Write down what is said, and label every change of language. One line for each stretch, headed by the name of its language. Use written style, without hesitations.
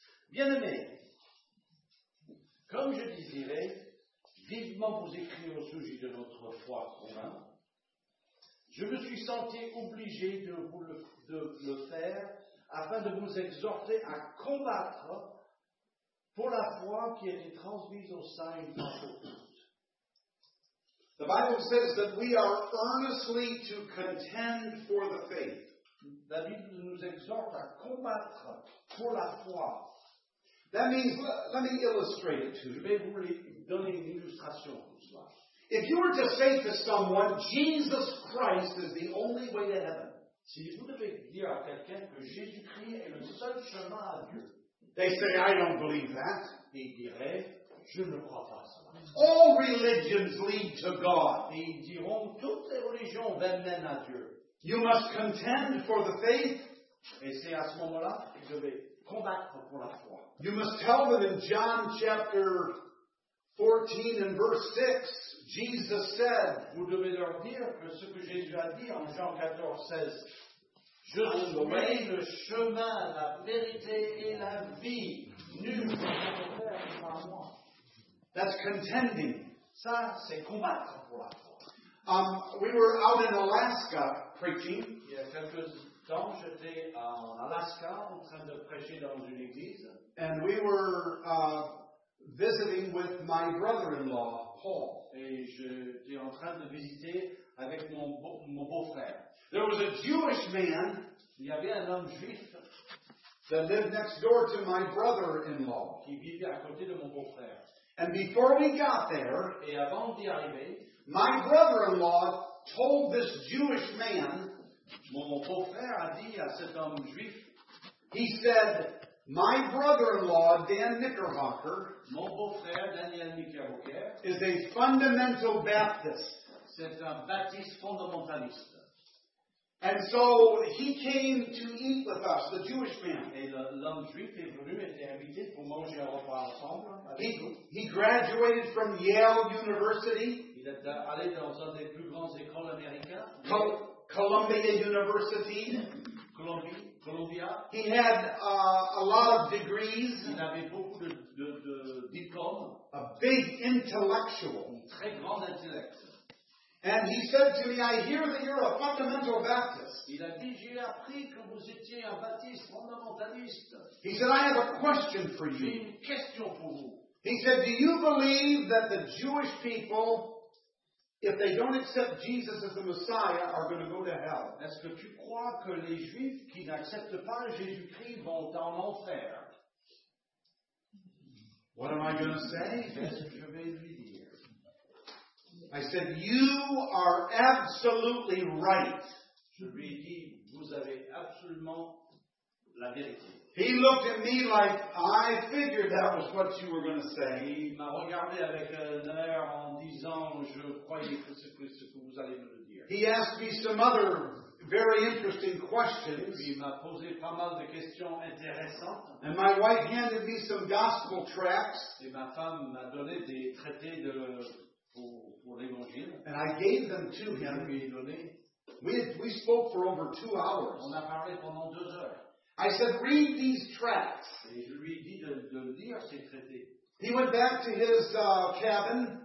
French: Bien-aimés, comme je désirais vivement vous écrire au sujet de notre foi commune, je me suis senti obligé de vous le faire afin de vous exhorter à combattre pour la foi qui a été transmise aux saints.
English: The Bible says that we are earnestly to contend for the faith.
French: La Bible nous exhorte à combattre pour la foi.
English: That means, let me illustrate it to you.
French: Je vais vous donner une illustration pour cela.
English: If you were to say to someone, Jesus Christ is the only way to heaven.
French: Si vous devez dire à quelqu'un que Jésus-Christ est le seul chemin à Dieu.
English: They say, I don't believe that.
French: Il dirait, je ne crois pas cela.
English: All religions lead to God.
French: Et ils diront, toutes les religions mènent à Dieu.
English: You must contend for the faith.
French: Et c'est à ce moment-là que je vais combattre pour la foi.
English: You must tell them in John chapter 14 and verse 6, Jesus said,
French: vous devez leur dire que ce que Jésus a dit en Jean 14, 16, je serai le chemin, la vérité et la vie. Nul ne peut le faire par moi.
English: That's contending.
French: Ça, c'est combattre pour la foi.
English: We were out in Alaska preaching.
French: Il y a quelques temps, j'étais en Alaska en train de prêcher dans une église.
English: And we were visiting with my brother-in-law, Paul.
French: Et j'étais en train de visiter avec mon beau-frère.
English: There was a Jewish man.
French: Il y avait un homme juif.
English: That lived next door to my brother-in-law.
French: Qui vivait à côté de mon beau-frère.
English: And before we got there,
French: et avant d'y arriver,
English: my brother-in-law told this Jewish man,
French: mon beau-frère a dit à cet homme juif,
English: he said, my brother-in-law, Dan Knickerbocker,
French: mon beau-frère, Daniel Knickerbocker,
English: is a fundamental Baptist.
French: C'est un Baptiste fondamentaliste.
English: And so he came to eat with us, the Jewish man.
French: Et l'homme juif est venu, était invité pour manger un repas ensemble.
English: He graduated from Yale University.
French: Il est allé dans une des plus grandes écoles américaines.
English: Columbia University.
French: Columbia.
English: He had a lot of degrees.
French: Il avait beaucoup de diplômes.
English: A big intellectual.
French: Un très grand intellect.
English: And he said to me, I hear that you're a fundamental Baptist.
French: Il a dit, j'ai appris que vous étiez un Baptiste fondamentaliste.
English: He said, I have a question for you.
French: J'ai une question pour vous.
English: He said, do you believe that the Jewish people, if they don't accept Jesus as the Messiah, are going to go to hell?
French: Est-ce que tu crois que les Juifs qui n'acceptent pas Jésus-Christ vont dans l'enfer?
English: What am I going to say?
French: Qu'est-ce que je vais lui dire?
English: I said, you are absolutely right.
French: Je lui ai dit, vous avez absolument la vérité.
English: He looked at me like, I figured that was what you were going to say.
French: Il m'a regardé avec un air en disant, je croyais que c'était ce que vous allez me dire.
English: He asked me some other very interesting questions.
French: Puis il m'a posé pas mal de questions intéressantes.
English: And my wife handed me some gospel tracts.
French: Et ma femme m'a donné des traités de... Pour l'évangile.
English: And I gave them to him. We spoke for over 2 hours.
French: On a parlé pendant 2 heures.
English: I said, read these tracts.
French: Et je lui ai dit de lire ces traités.
English: He went back to his cabin.